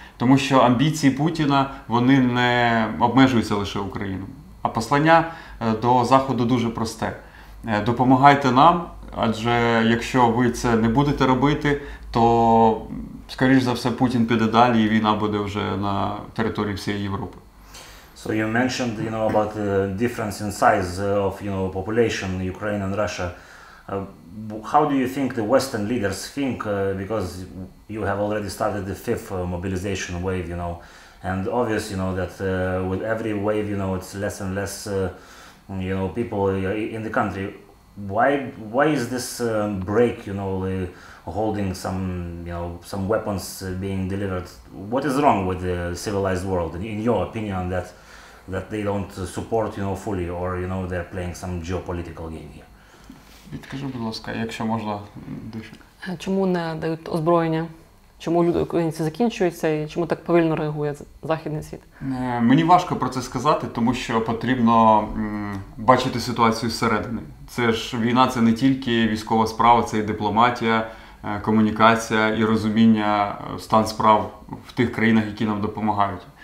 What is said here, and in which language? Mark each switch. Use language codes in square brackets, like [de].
[uk] Тому що амбіції Путіна, вони не обмежуються лише Україною. А послання до Заходу дуже просте. Допомагайте нам, адже якщо ви це не будете робити, то, скоріш за все, Путін піде далі і війна буде вже на території всієї Європи. [en] So you mentioned, you know, about the difference in size of, you know, population, Ukraine and Russia. How do you think the Western leaders think, because you have already started the fifth mobilization wave, you know, and obvious, you know, that with every wave, you know, it's less and less, you know, people in the country. Why is this break, you know, holding some, you know, some weapons being delivered? What is wrong with the civilized world, in your opinion, that they don't support, you know, fully, or, you know, they're playing some geopolitical game here? [uk] Відкажи, будь ласка, якщо можна, дуже. Чому не дають озброєння? Чому люди, українці, закінчуються і чому так повільно реагує західний світ? Мені важко про це сказати, тому що потрібно бачити ситуацію зсередини. Це ж війна, це не тільки військова справа, це і дипломатія, комунікація і розуміння стан справ в тих країнах, які нам допомагають.